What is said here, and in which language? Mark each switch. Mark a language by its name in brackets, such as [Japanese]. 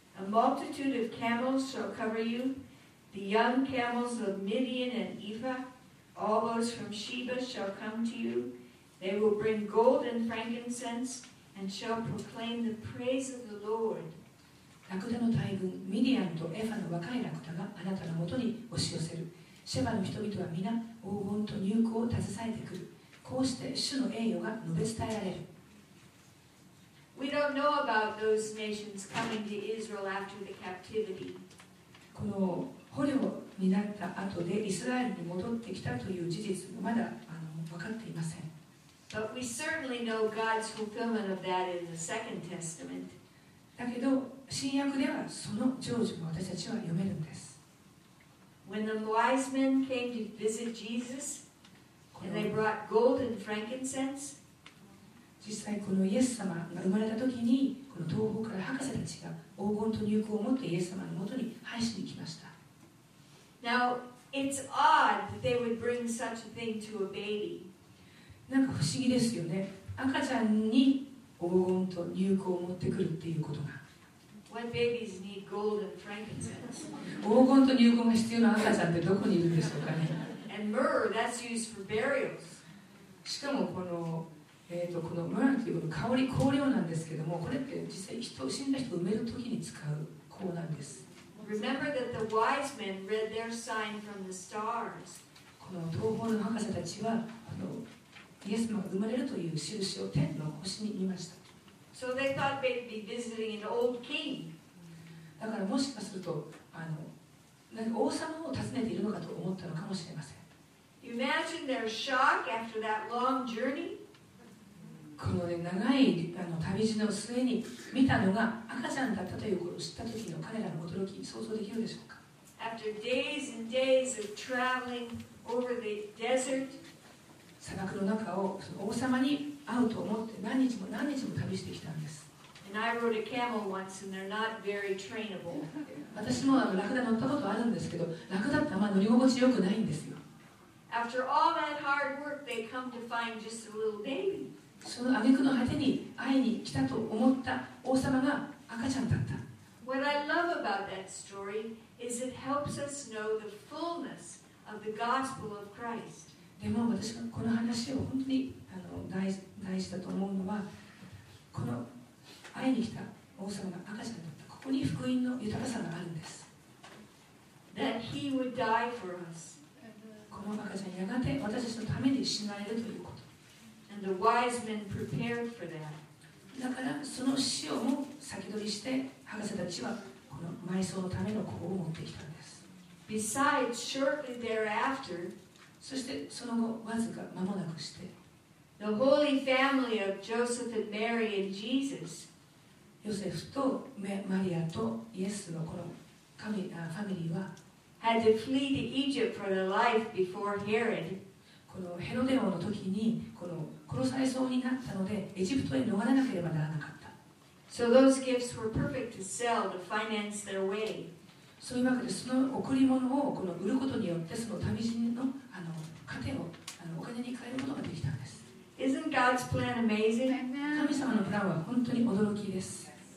[English] A multitude of camels shall cover you, the young camels of Midian and Ephah, all those from Sheba shall come to you. They will bring gold and frankincense and shall proclaim the praise of the Lord. [Japanese] ラクダの大群、ミディアンとエファの若いラクダがあなたのもとに押し寄せる。シェバの人々は皆黄金と乳香を携えてくる。こうして主の栄誉が述べ伝えられる。 [English] We don't know about those nations coming to Israel after the captivity. [Japanese] この捕虜になった後でイスラエルに戻ってきたという事実もまだ分かっていません。 [English] But we certainly know God's fulfillment of that in the Second Testament. [Japanese] だけど新約ではその成就も私たちは読めるんです。 [English] When the wise men came to visit Jesus and they brought gold and frankincense, [Japanese] 実際このイエス様が生まれた時にこの東方から博士たちが黄金と乳香を持ってイエス様のもとに拝しに来ました。 [English] Now it's odd that they would bring such a thing to a baby. [Japanese] なんか不思議ですよね。赤ちゃんに黄金と乳香を持ってくるっていうことが。 [English] When babies need gold and frankincense. [Japanese] 黄金と乳香が必要な赤ちゃんってどこにいるんでしょうかね。 [English] And myrrh, that's used for burials. [Japanese] しかもこの myrrh というこの香り香料なんですけども、これって実際人死んだ人を埋めるときに使う香なんです。 [English] Remember that the wise men read their sign from the stars. [Japanese] この東方の博士たちはイエス様が生まれるという印を天の星に見ました。 [English] So they thought they'd be visiting an old king. [Japanese] だからもしかすると、なんか王様を訪ねているのかと思ったのかもしれません。 [English] Imagine their shock after that long journey. [Japanese] この、ね、長い旅路の末に見たのが赤ちゃんだったということを知った時の彼らの驚き、想像できるでしょうか。 [English] After days and days of traveling over the desert, [Japanese] 砂漠の中をその王様に会うと思って何日も何日も旅してきたんです。 [English] And I rode a camel once, and they're not very trainable. [Japanese] 私もラクダ乗ったことあるんですけど、ラクダってあんま乗り心地良くないんですよ。 [English] After all that hard work, they come to find just a little baby. [Japanese] その挙句の果てに会いに来たと思った王様が赤ちゃんだった。 [English] What I love about that story is it helps us know the fullness of the gospel of Christ. [Japanese] でも私がこの話を本当に大事だと思うのは、この会いに来た王様が赤ちゃんだった。ここに福音の豊かさがあるんです。 [English] That he would die for us. [Japanese] この赤ちゃんやがて私たちのために死なれるということ。 [English] And the wise men prepared for that. [Japanese] だからその死をも先取りして博士たちはこの埋葬のための子を持ってきたんです。 [English] Besides, shortly thereafter, [Japanese] そしてその後わずか間もなくして [English] the Holy Family of Joseph and Mary and Jesus, [Japanese] ヨセフとマリアとイエスのこのファミリーは [English] had to flee to Egypt for their life before Herod. [Japanese] このヘロデ王の時にこの殺されそうになったのでエジプトへ逃れなければならなかった。 [English] So those gifts were perfect to sell to finance their way. [Japanese] そういうわけでその贈り物をこの売ることによってその旅人の糧をお金に変えることができたんです。 [English] Isn't God's plan amazing? [Japanese] 神様のプランは本当に驚きです。